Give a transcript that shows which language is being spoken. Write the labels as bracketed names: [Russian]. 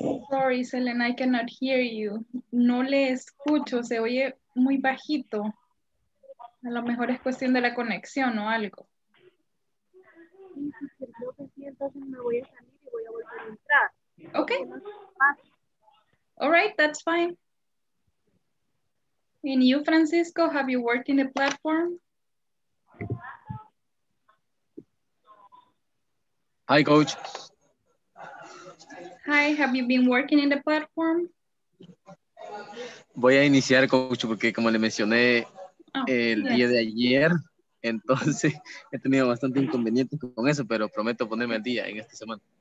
[English] Sorry, Selena, I cannot hear you. [Spanish] No le escucho, se oye muy bajito. A lo mejor es cuestión de la conexión o algo. Sí, creo que sí, entonces me voy a salir y voy a volver a entrar. [English] Okay. All right, that's fine. And you, Francisco, have you worked in the platform? Hi, coach. Hi, have you been working in the platform? [Spanish] Voy a iniciar, coach, porque como le mencioné día de ayer, entonces he tenido bastante inconveniente con eso, pero prometo ponerme al día en esta semana.